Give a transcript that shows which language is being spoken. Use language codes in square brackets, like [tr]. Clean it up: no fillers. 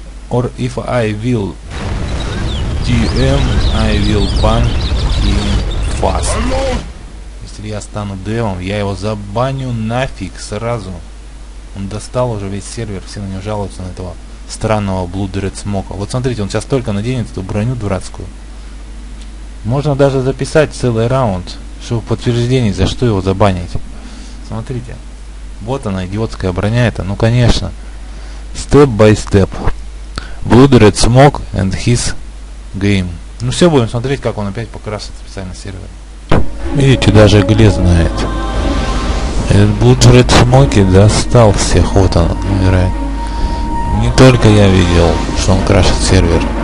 [en] Or if I will DM, I will ban him fast. [ru] Я стану девом, я его забаню нафиг сразу. Он достал уже весь сервер, все на него жалуются, на этого странного Blood Red Smoke. Вот смотрите, он сейчас только наденет эту броню дурацкую. Можно даже записать целый раунд, чтобы подтверждение, за что его забанить. Смотрите, вот она, идиотская броня эта. Ну конечно, [en] step by step Blood Red Smoke and his game. [ru] Ну все, будем смотреть, как он опять покрасит специально сервер. Видите, даже Гле знает. Блудред Смоки достал всех, вот он умирает. Не только я видел, что он крашит сервер.